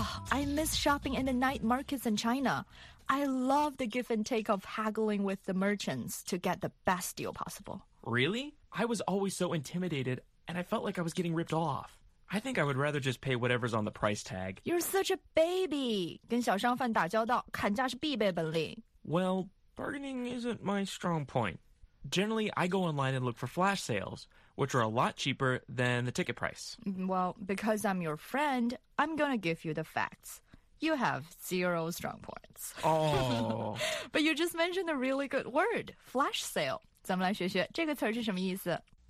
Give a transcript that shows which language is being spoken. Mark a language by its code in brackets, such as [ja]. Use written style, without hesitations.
[en] I miss shopping in the night markets in China. I love the give and take of haggling with the merchants to get the best deal possible. Really? I was always so intimidated, and I felt like I was getting ripped off. I think I would rather just pay whatever's on the price tag. You're such a baby! [zh] 跟小商贩打交道，砍价是必备本领。 [en] Well, bargaining isn't my strong point. Generally, I go online and look for flash sales,which are a lot cheaper than the ticket price. Well, because I'm your friend, I'm going to give you the facts. You have zero strong points. Oh. But you just mentioned a really good word, flash sale. [zh] 咱们来学学这个词是什么意思。